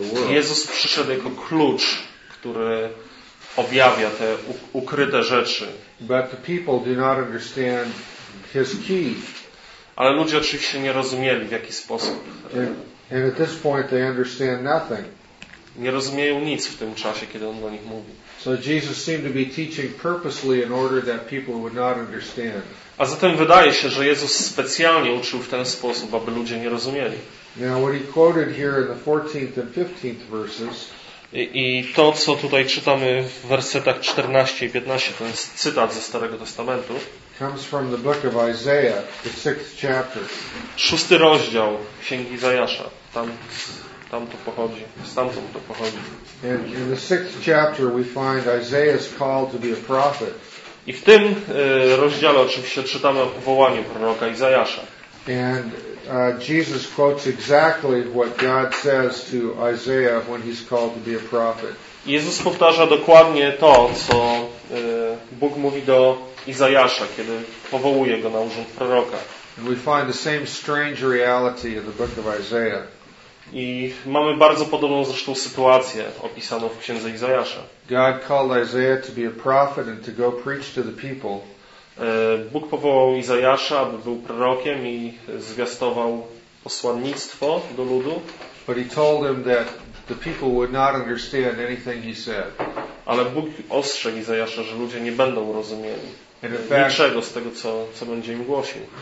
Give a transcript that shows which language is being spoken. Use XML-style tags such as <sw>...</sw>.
<pl>Jezus przyszedł jako klucz, który objawia te ukryte rzeczy.</pl> <en>But the people do not understand his key.</en> <pl>Ale ludzie oczywiście nie rozumieli, w jaki sposób.</pl> <en>And at this point they understand nothing.</en> <pl>Nie rozumieją nic w tym czasie, kiedy on do nich mówi.</pl> <en>So Jesus seemed to be teaching purposely in order that people would not understand.</en> <pl>A zatem wydaje się, że Jezus specjalnie uczył w ten sposób, aby ludzie nie rozumieli.</pl> <en>Now what he quoted here in the 14th and 15th verses.</en> <pl>I to, co tutaj czytamy w wersetach 14 i 15, to jest cytat ze Starego Testamentu.</pl> <en>Comes from the book of Isaiah, the sixth chapter.</en> <pl>Szósty rozdział Księgi Izajasza. Stamtąd to pochodzi.</pl> <en>And in the sixth chapter we find Isaiah's call to be a prophet.</en> <pl>I w tym rozdziale oczywiście czytamy o powołaniu proroka Izajasza.</pl> <en>And Jesus quotes exactly what God says to Isaiah when he's called to be a prophet.</en> <pl>Jezus powtarza dokładnie to, co Bóg mówi do Izajasza, kiedy powołuje go na urząd proroka.</pl> <en>And we find the same strange reality in the book of Isaiah.</en> <pl>I mamy bardzo podobną zresztą sytuację opisaną w Księdze Izajasza.</pl> <en>God called Isaiah to be a prophet and to go preach to the people.</en> <pl>Bóg powołał Izajasza, aby był prorokiem i zwiastował posłannictwo do ludu.</pl> <en>But he told him that the people would not understand anything he said.</en> <pl>Ale Bóg ostrzegł Izajasza, że ludzie nie będą rozumieli niczego z tego, co będzie im głosił.</pl>